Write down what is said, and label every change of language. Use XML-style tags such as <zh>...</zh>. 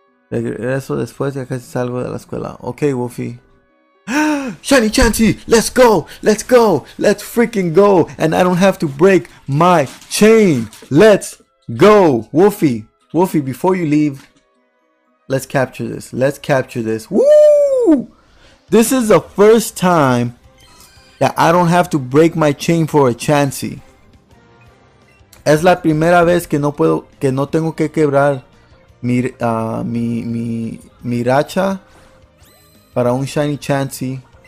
<es>Regreso después de que salgo de la escuela. Okay, Wolfie.</es> <en>Shiny Chansey, let's go, let's go, let's freaking go, and I don't have to break my chain. Let's go, Wolfie. Wolfie, before you leave, let's capture this. Let's capture this. Woo! This is the first time that I don't have to break my chain for a Chansey.</en> <es>Es la primera vez que no puedo, que no tengo que quebrar mi racha para un Shiny Chansey.</es>